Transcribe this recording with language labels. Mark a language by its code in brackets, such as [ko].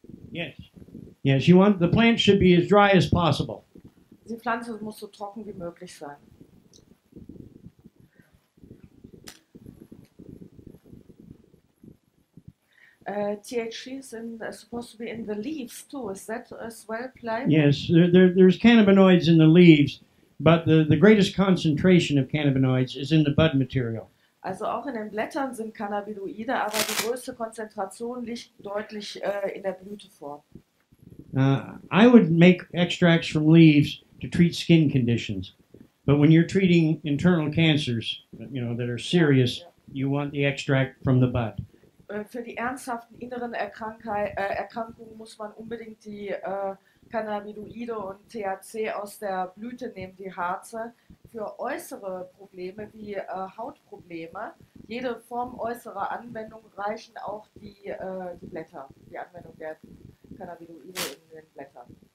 [en] Yes. Yes, you want the plant should be as dry as possible. [de] Die Pflanze muss so trocken wie möglich sein. [en] THC is supposed to be in the leaves too. Is that as well planted? Yes, there's cannabinoids in the leaves, but the greatest concentration of cannabinoids is in the bud material. [de] Also auch in den Blättern sind Cannabinoide, aber die größte Konzentration liegt deutlich in der Blüte vor. [en] I would make extracts from leaves to treat skin conditions. But when you're treating internal cancers, you know, that are serious, you want the extract from the bud. [de] Für die ernsthaften inneren Erkrankungen muss man unbedingt die Cannabinoide und THC aus der Blüte nehmen, die Harze. Für äußere Probleme wie Hautprobleme, jede Form äußerer Anwendung reichen auch die, die Blätter, die Anwendung der Cannabinoide in den Blättern.